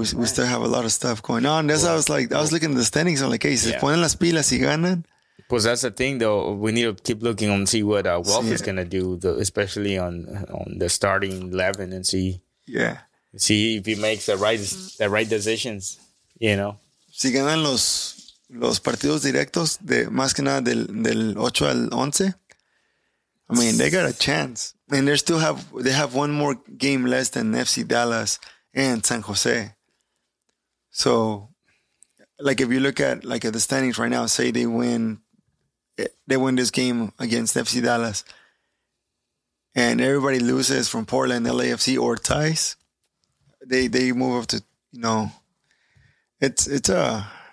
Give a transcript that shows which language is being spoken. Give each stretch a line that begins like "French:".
English: on. So we still have a lot of stuff going on. That's cool. I was looking at the standings. I'm like, hey, yeah.
Spanish: Se ponen las pilas y ganan. Pues
English: that's the thing, though. We need to keep looking and see what Wolf is going to do, especially on the starting 11 and see. Yeah. See if he makes the right decisions, you know.
Spanish: Si ganan los partidos directos, de más que nada del 8 al 11.
English: I mean, they got a chance. And they still have one more game less than FC Dallas and San Jose. So, like, if you look at, like, at the standings right now, say they win this game against FC Dallas and everybody loses from Portland, LAFC, or ties, they move up to, you know, it's a...